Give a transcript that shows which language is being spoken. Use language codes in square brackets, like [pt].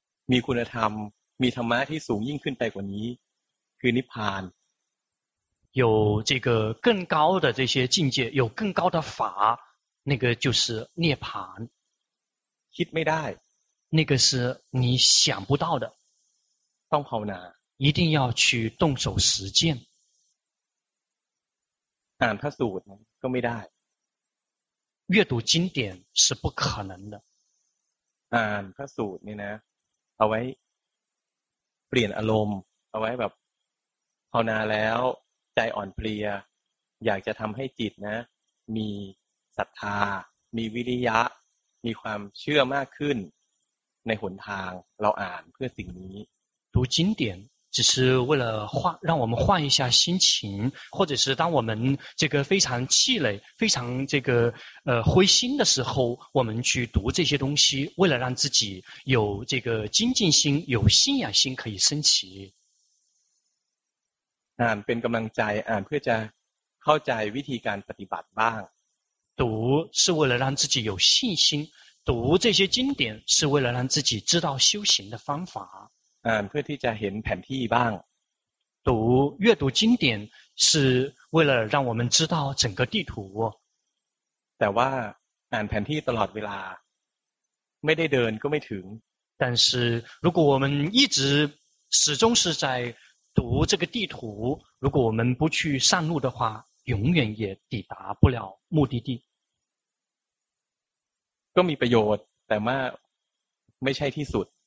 [th] มีคุณธรรมมีธรรมะที่สูงยิ่งขึ้นไปกว่านี้คือนิพพาน [zh] 有这个更高的这些境界有更高的法那个就是涅槃 [th] คิดไม่ได้ [zh] 那个是你想不到的 [th] ต้องภาวนา [zh] 一定要去动手实践 [th] อ่านพระสูตรก็ไม่ได้ [zh] 阅读经典是不可能的 [th] อ่านพระสูตรนี่นะเอาไว้เปลี่ยนอารมณ์เอาไว้แบบภาวนาแล้วใจอ่อนเพลียอยากจะทำให้จิตนะมีศรัทธามีวิริยะมีความเชื่อมากขึ้นในหนทางเราอ่านเพื่อสิ่งนี้ [zh] 读经典只是为了换让我们换一下心情或者是当我们这个非常气馁非常这个灰心的时候我们去读这些东西为了让自己有这个精进心有信仰心可以升起 [th] อ่านเป็นกำลังใจอ่านเพื่อจะเข้าใจวิธีการปฏิบัติบ้าง [zh] 读是为了让自己有信心读这些经典是为了让自己知道修行的方法 [th] อ่านเพื่อที่จะเห็นแผนที่บ้าง [zh] 读阅读经典是为了让我们知道整个地图 [th] แต่ว่าอ่านแผนที่ตลอดเวลาไม่ได้เดินก็ไม่ถึง [zh] 但是如果我们一直始终是在读这个地图如果我们不去上路的话永远也抵达不了目的地 [th] ก็มีประโยชน์แต่ว่าไม่ใช่ที่สุด